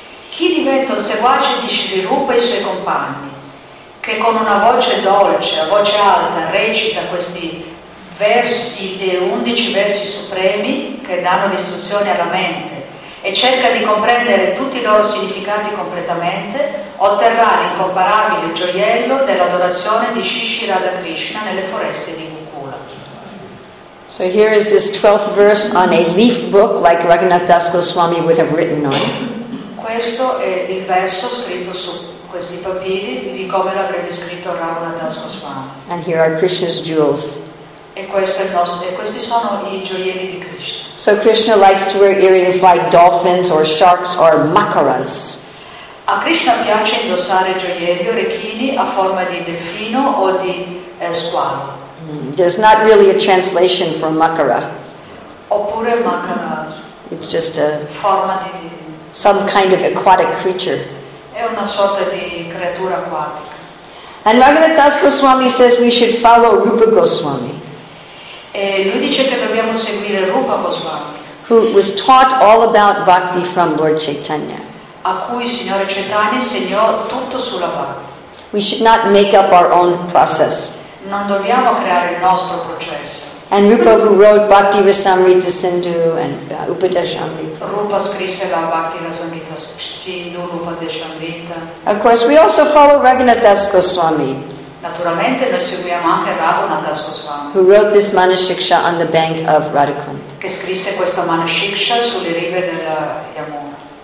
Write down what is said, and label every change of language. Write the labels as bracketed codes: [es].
[it] Chi diventa un seguace di Shri Rupa e i suoi compagni, che con una voce dolce, a voce alta, recita questi versi, 11 versi supremi che danno l'istruzione alla mente e cerca di comprendere tutti i loro significati completamente, otterrà l'incomparabile gioiello dell'adorazione di Shishi Radha Krishna nelle foreste di Gokula. [en] So here is this 12th verse on a leaf book like Raghunath Das Goswami would have written on. [it] Questo è il verso scritto su questi papiri di come l'avrebbe scritto Raghunath Das Goswami. [en] And here are Krishna's jewels. [it] E questo è il nostro, e questi sono i gioielli di Krishna. [en] So Krishna likes to wear earrings like dolphins or sharks or makaras. [it] A Krishna piace indossare gioielli, orecchini a forma di delfino o di squalo. [en] There's not really a translation for makara. [it] Oppure makara. [en] It's just a [it] forma di [en] some kind of aquatic creature. [it] È una sorta di creatura acquatica. [en] And Raghunath Das Goswami says we should follow Rupa Goswami. [it] E lui dice che dobbiamo seguire Rupa Goswami, [en] who was taught all about bhakti from Lord Chaitanya. [it] A cui Signore Chaitanya insegnò tutto sulla bhakti. [en] We should not make up our own process. [it] Non dobbiamo creare il nostro processo. [en] And Rupa, who wrote Bhakti Rasamrita Sindhu and Upadeshamrita. [it] Rupa scrisse la Bhakti Rasamrita Sindhu, Upadeshamrita. [en] Of course, we also follow Raghunath Das Goswami. [it] Naturalmente noi seguiamo anche Raghunath Das Goswami, [en] who wrote this Manashiksha on the bank of Radhakund. [it] Che scrisse questa Manashiksha sulle rive della Yamuna.